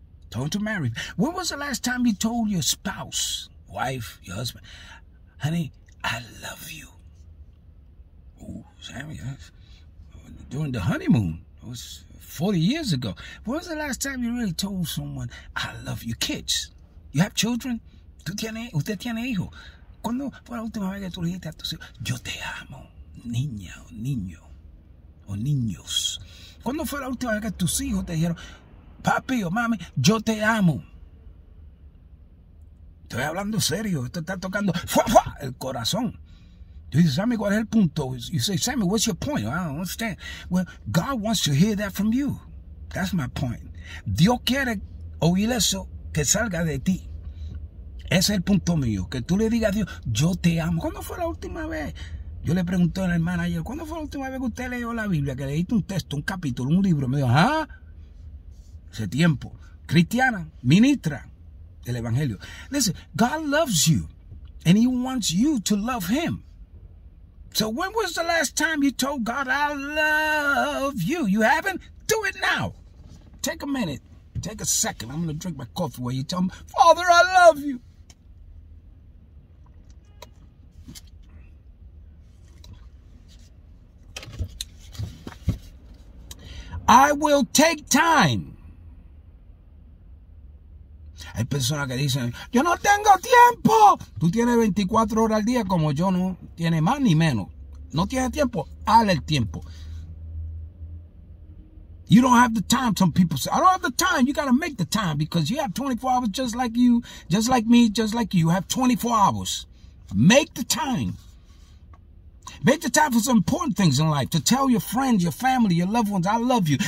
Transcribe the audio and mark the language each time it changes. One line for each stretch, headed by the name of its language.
English: Don't marry. When was the last time you told your spouse, wife, your husband, honey, I love you? Ooh, Sammy, during the honeymoon, it was 40 years ago. When was the last time you really told someone, I love you? Kids, you have children?
Spanish: Usted tiene hijo? ¿Cuándo fue la última vez que tú dijiste a tus hijos, yo te amo, niña o niño o niños? ¿Cuándo fue la última vez que tus hijos te dijeron, papi o mami, yo te amo? Estoy hablando serio. Esto está tocando ¡fua! El corazón. Tú dices, Sammy, ¿cuál es el punto?
English: You say, Sammy, what's your point? I don't understand. Well, God wants to hear that from you. That's my point.
Spanish: Dios quiere oír eso que salga de ti. Ese es el punto mío. Que tú le digas a Dios, yo te amo. ¿Cuándo fue la última vez? Yo le pregunté a la hermana ayer, ¿cuándo fue la última vez que usted leyó la Biblia? Que leíste un texto, un capítulo, un libro. Me dijo, ¿ah? Ese tiempo, cristiana, ministra del evangelio.
English: Listen, God loves you, and he wants you to love him. So when was the last time you told God, I love you? You haven't? Do it now. Take a minute. Take a second. I'm going to drink my coffee while you tell me, Father, I love you. I will take time.
Spanish: Hay personas que dicen, yo no tengo tiempo. Tú tienes 24 horas al día como yo, no tiene más ni menos. No tiene tiempo, hazle el tiempo.
English: You don't have the time, some people say. I don't have the time. You got to make the time because you have 24 hours just like you, just like me, just like you. You have 24 hours. Make the time. Make the time for some important things in life. To tell your friends, your family, your loved ones, I love you.